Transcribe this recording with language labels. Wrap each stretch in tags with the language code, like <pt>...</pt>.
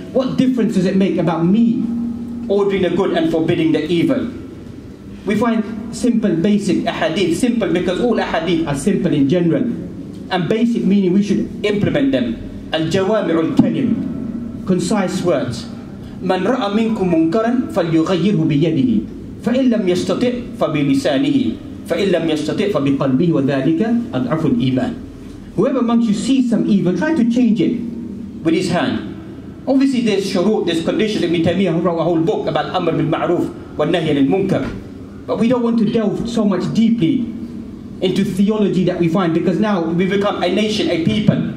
<en>What difference does it make about me ordering the good and forbidding the evil? We find simple, basic ahadith, simple because all ahadith are simple in general, and basic meaning we should implement them.</en> <ar>الجوامع الكلم,</ar> <en>concise words.</en> <ar>من رأى منكم منكرا فليغيره بيده فإن لم يستطع فبلسانه فإن لم يستطع فبقلبه وذلك أضعف الإيمان.</ar> <en>Whoever amongst you sees some evil, try to change it with his hand. Obviously there's shuruq, there's conditions. Ibn Taymiyyah wrote a whole book about Amr bil Ma'ruf wa Nahy anil Munkar. But we don't want to delve so much deeply into theology that we find, because now we become a nation, a people.</en>